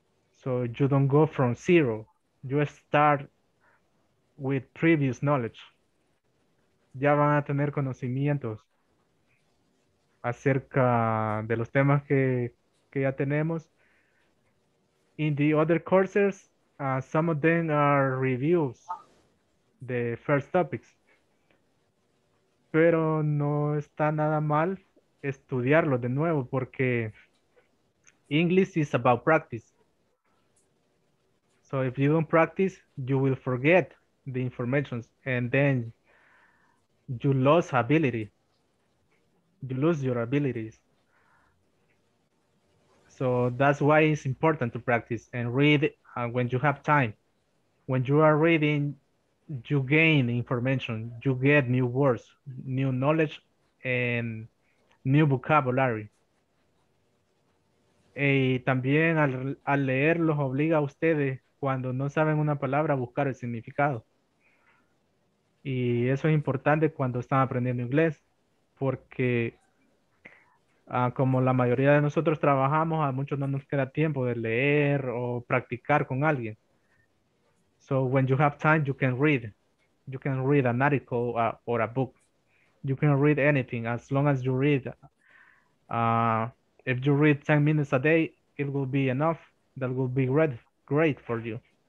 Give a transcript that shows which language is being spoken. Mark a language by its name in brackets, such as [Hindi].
[English] So you don't go from zero. You start with previous knowledge. [Spanish] Ya van a tener conocimientos acerca de los temas que ya tenemos. [English] In the other courses, some of them are reviews, the first topics. [Spanish] Pero no está nada mal estudiarlo de nuevo porque [English] English is about practice. So if you don't practice, you will forget the information and then you lose ability. You lose your abilities. So that's why it's important to practice and read when you have time. When you are reading, you gain information, you get new words, new knowledge, and new vocabulary. [Spanish] Y también al leer los obliga a ustedes, cuando no saben una palabra, a buscar el significado. Y eso es importante cuando están aprendiendo inglés, porque como la mayoría de nosotros trabajamos, a muchos no nos queda tiempo de leer o practicar con alguien. [English] So when you have time, you can read. You can read an article or a book. You can read anything as long as you read. If you read 10 minutes a day, it will be enough. That will be great for you.